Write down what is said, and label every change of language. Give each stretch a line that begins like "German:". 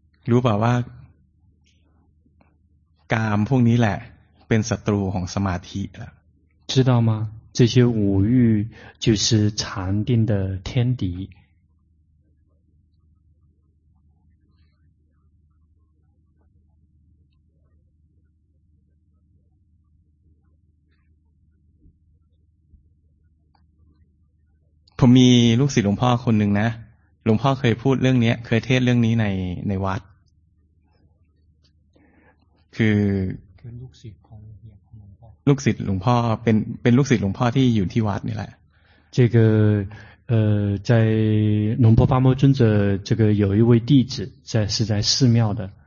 Thai: รู้ป่าวว่ากามพวกนี้แหละเป็นศัตรูของสมาธิ
Chinese: 知道吗这些五欲就是禅定的天敌
Thai: ผมมีลูกศิษย์หลวงพ่อคนหนึ่งนะหลวงพ่อเคยพูดเรื่องนี้เคยเทศเรื่องนี้ในวัดคือ ลูกศิษย์ของ ลูกศิษย์หลวงพ่อเป็นลูกศิษย์หลวงพ่อที่อยู่ที่วัดนี่แหละ
Chinese: 这个在龙婆巴摩尊者这个有一位弟子在是在寺庙的